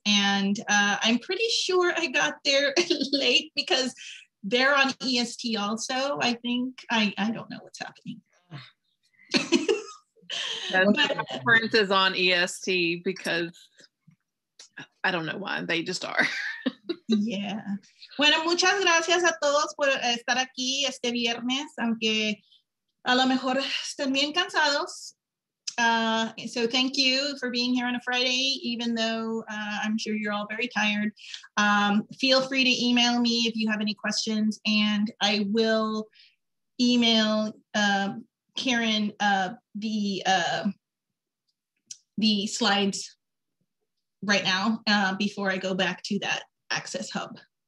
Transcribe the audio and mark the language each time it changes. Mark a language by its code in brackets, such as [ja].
[en] And I'm pretty sure I got there late because they're on EST also, I think. I don't know what's happening. But, conference is on EST because I don't know why, they just are. Yeah. [es] Bueno, muchas gracias a todos por estar aquí este viernes, aunque a lo mejor estén bien cansados. [en] So thank you for being here on a Friday, even though I'm sure you're all very tired. Feel free to email me if you have any questions, and I will email Karen the slides right now before I go back to that Access Hub.